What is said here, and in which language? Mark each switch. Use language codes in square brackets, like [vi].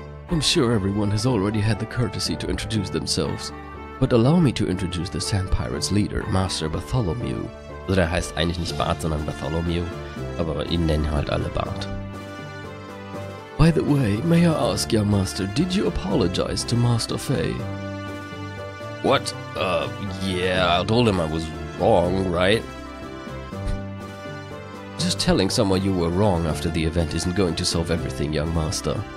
[en] I'm sure everyone has already had the courtesy to introduce themselves, but allow me to introduce the Sand Pirates' leader, Master Bartholomew. [de] Also der heißt eigentlich nicht Bart, sondern Bartholomew, aber ihn nennen halt alle Bart. [en] By the way, may I ask, young master, did you apologize to Master Fay? What? I told him I was wrong, right? Just telling someone you were wrong after the event isn't going to solve everything, young master.